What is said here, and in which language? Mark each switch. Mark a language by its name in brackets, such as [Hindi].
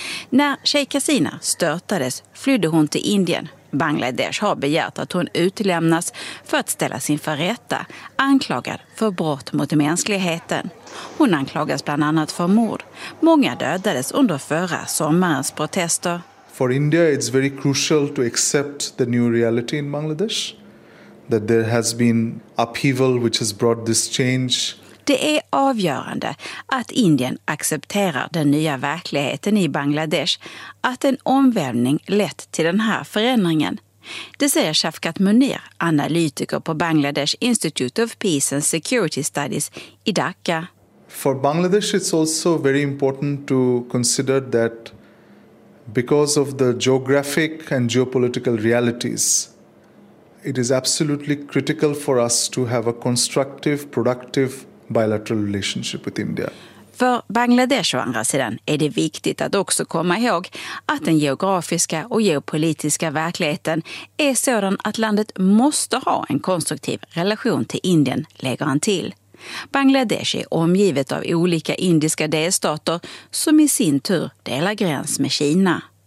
[Swedish] När Sheikh Hasina störtades flydde hon till Indien. Bangladesh har begärt att hon utlämnas för att ställa sin förrätta, anklagad för brott mot mänskligheten. Hon anklagas bland annat för mord. Många dödades under förra sommarens protester. [English] For India it's very crucial to accept the new reality in Bangladesh, that there has been upheaval which has brought this change. [Swedish] Det är avgörande att Indien accepterar den nya verkligheten i Bangladesh, att en omvälvning lett till den här förändringen. Det säger Shafkat Munir, analytiker på Bangladesh Institute of Peace and Security Studies i Dhaka. [English] For Bangladesh it's also very important to consider that because of the geographic and geopolitical realities, it is absolutely critical for us to have a constructive, productive bilateral relationship with India. [Swedish] För Bangladesh å andra sidan är det viktigt att också komma ihåg att den geografiska och geopolitiska verkligheten är sådan att landet måste ha en konstruktiv relation till Indien, lägger han till. Bangladesh är omgivet av olika indiska delstater som i sin tur delar gräns med Kina.